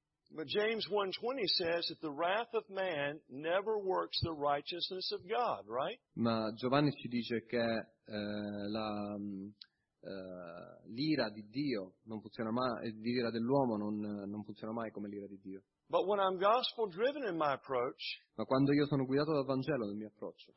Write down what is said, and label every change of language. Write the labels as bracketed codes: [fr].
[en] But James 1:20 says that the wrath of man never works the righteousness of God, right? [it] Ma Giovanni ci dice che l'ira di Dio non funziona mai, l'ira dell'uomo non funziona mai come l'ira di Dio. [en] But when I'm gospel driven in my approach, [it] ma quando io sono guidato dal Vangelo nel mio approccio,